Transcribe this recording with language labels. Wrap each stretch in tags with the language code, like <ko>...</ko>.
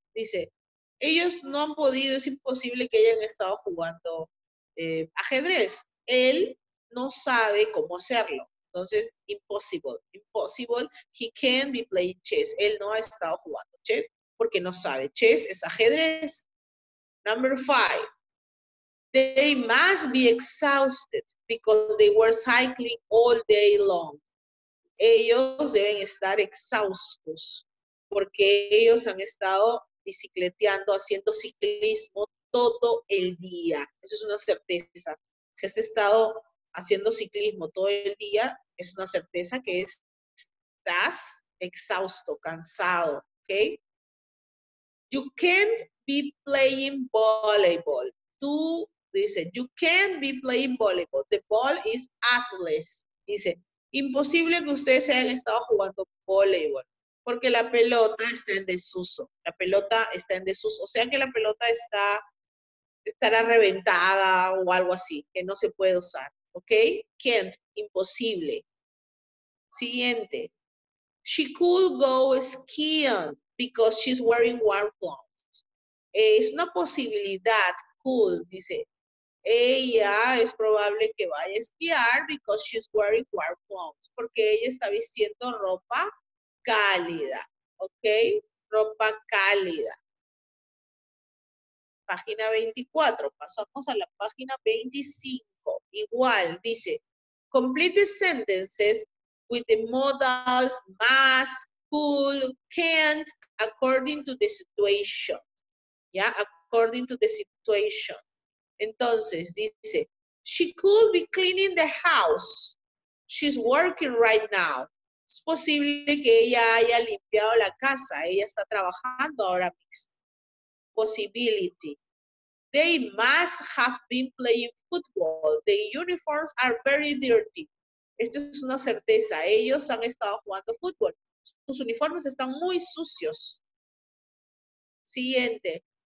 <es>Dice, ellos no han podido, es imposible que hayan estado jugando ajedrez. Él no sabe cómo hacerlo. Entonces,</es> <en>impossible, impossible. He can't be playing chess.</en> <es>Él no ha estado jugando chess porque no sabe. Chess es ajedrez.</es> <en>Number five. They must be exhausted because they were cycling all day long.</en> <es>Ellos deben estar exhaustos porque ellos han estado bicicleteando, haciendo ciclismo todo el día. Eso es una certeza. Si has estado haciendo ciclismo todo el día, es una certeza que estás exhausto, cansado, ¿ok?</es> <en>You can't be playing volleyball.</en> <es>Tú dices,</es> <en>you can't be playing volleyball. The ball is useless.</en> <es>Dice, imposible que ustedes hayan estado jugando volleyball. Porque la pelota está en desuso. La pelota está en desuso. O sea que la pelota estará reventada o algo así, que no se puede usar. ¿Ok? Can't. Imposible. Siguiente.</es> <en>She could go skiing because she's wearing warm clothes.</en> <es>Es una posibilidad. Could, dice. Ella es probable que vaya a esquiar</es> <en>because she's wearing warm clothes.</en> <es>Porque ella está vistiendo ropa cálida, ¿ok? Ropa cálida. Página 24. Pasamos a la página 25. Igual, dice,</es> <en>complete sentences with the models, must, could, can't, according to the situation.</en> <es>¿Ya?</es> <en>According to the situation.</en> <es>Entonces, dice,</es> <en>she could be cleaning the house. She's working right now.</en> <es>Es posible que ella haya limpiado la casa. Ella está trabajando ahora mismo. Possibility.</es> <en>They must have been playing football. The uniforms are very dirty.</en> <es>Esto es una certeza. Ellos han estado jugando fútbol. Sus uniformes están muy sucios. Siguiente.</es>